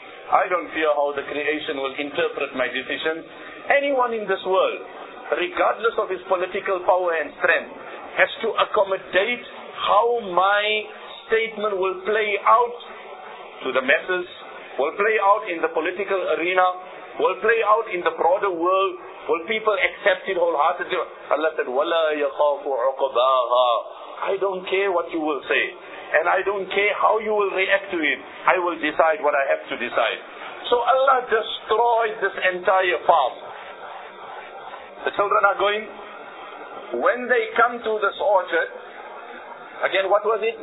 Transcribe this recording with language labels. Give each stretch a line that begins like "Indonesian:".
English: I don't fear how the creation will interpret my decision. Anyone in this world, regardless of his political power and strength, has to accommodate how my statement will play out to the masses, will play out in the political arena, will play out in the broader world. Will people accept it wholeheartedly? Allah said,
Arabic: وَلَا يَخَافُ عُقَبَاهَا.
English: I don't care what you will say. And I don't care how you will react to it. I will decide what I have to decide. So Allah destroyed this entire farm. The children are going. When they come to this orchard, again, what was it?